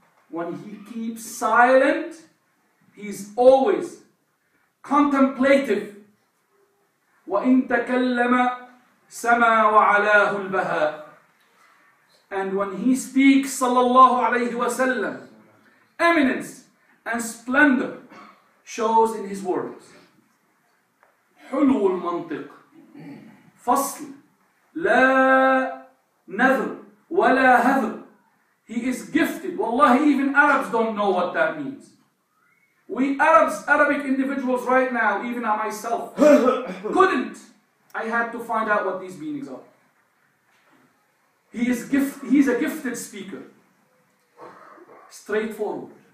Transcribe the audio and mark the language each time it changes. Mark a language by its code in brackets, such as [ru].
[en] When he keeps silent, he's always contemplative. [ar] وَإِن تَكَلَّمَ سَمَى وَعَلَاهُ الْبَهَاءِ. [en] And when he speaks, sallallahu alayhi wa sallam, eminence and splendor shows in his words. [ar] حلو المنطق فصل لا نذر ولا هذر. [en] He is gifted. Wallahi, even Arabs don't know what that means. We Arabs, Arabic individuals right now, even I myself, couldn't. I had to find out what these meanings are. He's a gifted speaker. Straightforward.